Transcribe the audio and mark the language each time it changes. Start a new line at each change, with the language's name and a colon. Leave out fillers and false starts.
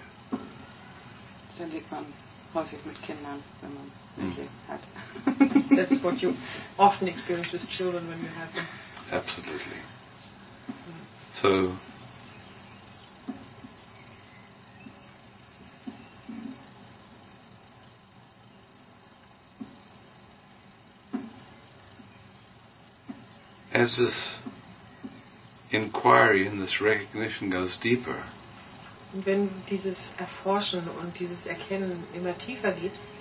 German: Das erlebt man häufig mit Kindern, wenn man hat.
English: That's what you often experience with children when you have them. Absolutely. So as this inquiry and this recognition goes deeper,
German: und wenn dieses Erforschen und dieses Erkennen immer tiefer geht,